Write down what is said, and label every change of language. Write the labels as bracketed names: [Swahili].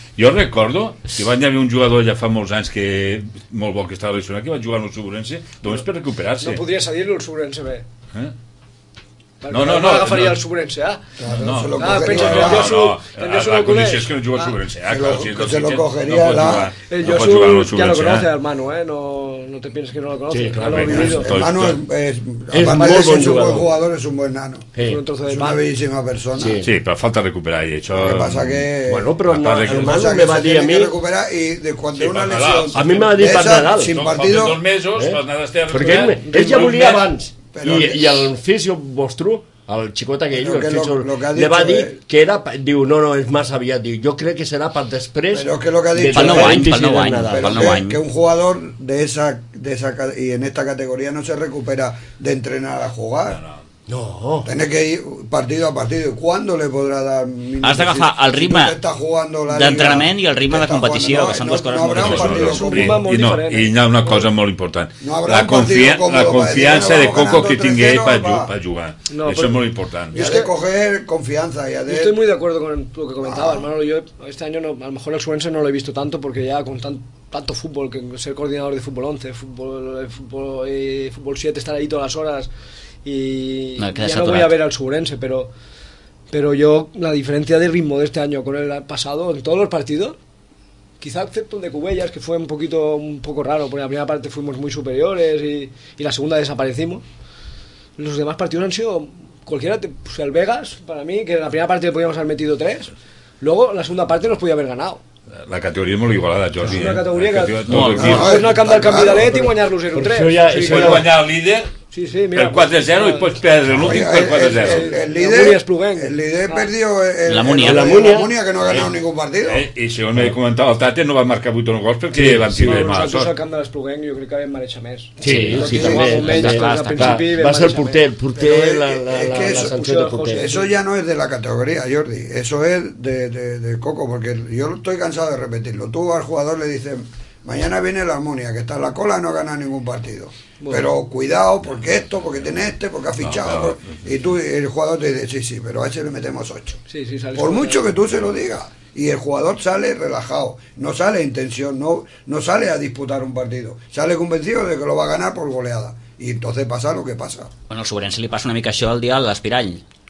[Catalan] Jo recordo que va haver un jugador ja fa molts anys que molt bo que estava lesionat, que va jugar en el Sobrense, només per recuperar-se. No podria cedir-lo el Sobrense bé. No, agafaria el Sobrense, [Spanish] No, se lo cogeria. [Catalan] Coneixes que no juga el Sobrense, [Spanish] Se lo cogeria, [Catalan] No pot jugar en el Sobrense, [Spanish] ja lo conoce, el Manu, No te pienses que no lo conoce. Sí, claramente. El Manu es un buen jugador, es un buen nano. Sí. Es una bellísima persona. Sí, pero falta recuperar. Y hecho... Lo que pasa que... Bueno, pero no, el Manu me va a decir a mí... recuperar y de cuando una lesión... A mí me va a decir para Nadal. Sin partido... Dos meses, para nada esté a recuperar. Porque él ya [Catalan] volía abans. I el fisio vostru, el xicot aquell, el fisio, li va dir que era, diu, no, és massa aviat, diu, jo crec que serà per després. [Spanish] Però que lo que ha dicho, [Catalan] pel nou any. [Spanish] Que un jugador de esa, y en esta categoría no se recupera de entrenar a jugar. No. Tienes que ir partido a partido. ¿Cuándo le podrá dar minutos? [Catalan] Has de agafar el ritme d'entrenament i el ritme de competició, que són dues coses molt diferents. I hi ha una cosa molt important. La confiança de Coco que tingui ell per jugar. Això és molt important. [Spanish] Es que coger confiança. Yo estoy muy de acuerdo con lo que comentaba, Manolo. Yo este año, a lo mejor el Suense no lo he visto tanto, porque ya con tanto fútbol, que ser coordinador de fútbol 11, fútbol 7, estar ahí todas las horas... Y ya no voy a ver al Sugrense, pero yo la diferencia de ritmo de este año con el pasado en todos los partidos, quizá excepto el de Cubellas, que fue un poco raro, porque la primera parte fuimos muy superiores y la segunda desaparecimos. Los demás partidos han sido cualquiera, pues el Vegas, para mí, que en la primera parte le podíamos haber metido 3, luego la segunda parte nos podía haber ganado. [Catalan] La categoria és molt igualada, Jordi. És una categoria que... No, és una camp del canvi de l'et i guanyar-los 0-3. Si pots guanyar el líder per 4-0 i pots perdre l'últim per 4-0. El líder perdió la Múnia, que no ha ganat ningú partit. I segons m'he comentat, el Tate no va marcar 8 o 9 gols perquè van tirar de mala sort. Al camp de l'Espluguenc jo crec que vam mereixer més. Sí, també. Va ser el porter, la sanció de porter. [Spanish] Eso ya no es de la categoria, Jordi. Eso es de Coco, porque yo estoy cansado de repetirlo. Tú al jugador le dices, mañana viene la Almunia, que está en la cola, no gana ningún partido. Bueno. Pero cuidado, porque esto, porque tiene este, porque ha fichado. No, y tú, el jugador te dice, sí, pero a ese le metemos 8. Sí, sí, sale. Por mucho que tú se lo digas. Y el jugador sale relajado, no sale en tensión, no sale a disputar un partido. Sale convencido de que lo va a ganar por goleada. Y entonces pasa lo que pasa. [Catalan] Bueno, al Sobrense le pasa una mica això al dia de l'Espirall.